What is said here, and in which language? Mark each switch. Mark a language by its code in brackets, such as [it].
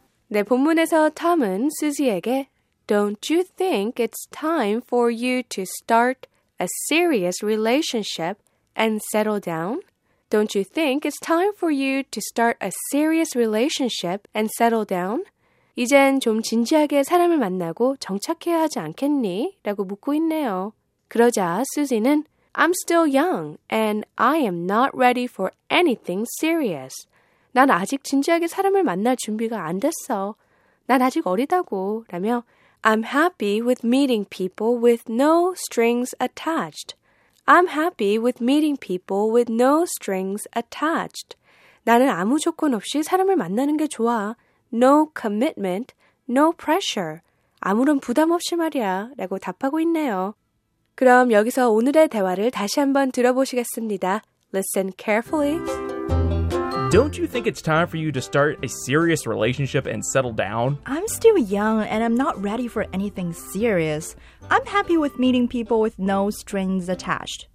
[ko] 네, 본문에서 톰은 수지에게 [en] Don't you think it's time for you to start a serious relationship and settle down? Don't you think it's time for you to start a serious relationship and settle down? [ko] 이젠 좀 진지하게 사람을 만나고 정착해야 하지 않겠니? 라고 묻고 있네요. 그러자 수지는 [en] I'm still young and I am not ready for anything serious. [ko] 난 아직 진지하게 사람을 만날 준비가 안 됐어. 난 아직 어리다고 라며 [en] I'm happy with meeting people with no strings attached. I'm happy with meeting people with no strings attached. [ko] 나는 아무 조건 없이 사람을 만나는 게 좋아. [en] No commitment, no pressure. [ko] 아무런 부담 없이 말이야 라고 답하고 있네요. 그럼 여기서 오늘의 대화를 다시 한번 들어보시겠습니다. [en] Listen carefully. Don't you think it's time for you to start a serious relationship and settle down? I'm still young and I'm not ready for anything serious. I'm happy with meeting people with no strings attached.